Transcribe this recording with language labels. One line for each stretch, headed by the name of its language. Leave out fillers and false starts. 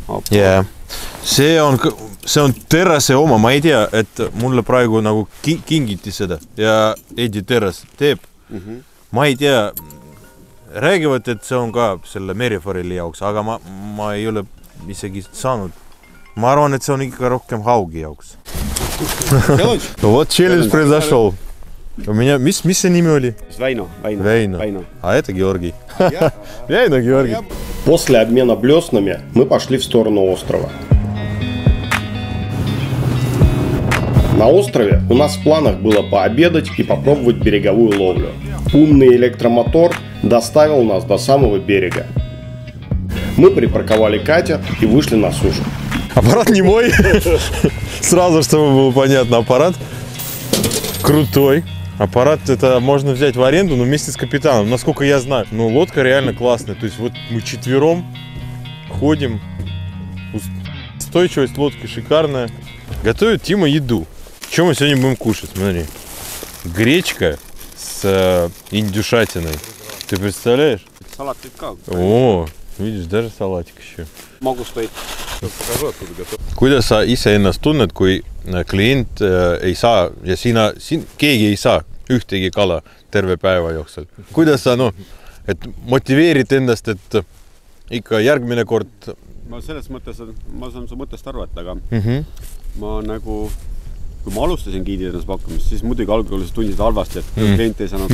Estonian: Yeah. See on terrase oma, ma ei tea, et mulle praegu nagu kingiti seda ja Edi terras teeb. Mm-hmm. Ma ei tea, räägivad, et see on ka selle Merifarili jaoks, aga ma ei ole isegi saanud. Ma arvan, et see on ikka rohkem haugi jaoks.
Russian: No vot, челлендж произошёл. У меня мис мис не имели. Вейно. А это Георгий. Вейно, Георгий. После обмена блёснами мы пошли в сторону острова. На острове у нас в планах было пообедать и попробовать береговую ловлю. Умный электромотор доставил нас до самого берега. Мы припарковали катер и вышли на сушу. Аппарат не мой. Сразу, чтобы было понятно, аппарат крутой. Аппарат это можно взять в аренду, но вместе с капитаном, насколько я знаю. Но лодка реально классная. То есть вот мы четвером ходим. Устойчивость лодки шикарная. Готовит Тима еду. Что мы сегодня будем кушать? Смотри. Гречка с индюшатиной. Ты представляешь? Салатик как? О, видишь, даже салатик еще. Могу стоять.
Estonian: Kuidas sa ise ennast tunned, kui klient ei saa ja siin keegi ei saa ühtegi kala terve päeva jooksul? Kuidas sa et motiveerid endast, et ikka järgmine kord? Ma selles mõttes, ma saan su mõttest arvata, aga ma nagu, kui ma alustasin giidi ennast pakkumist, siis muidugi algul tundisid halvasti, et klient ei saanud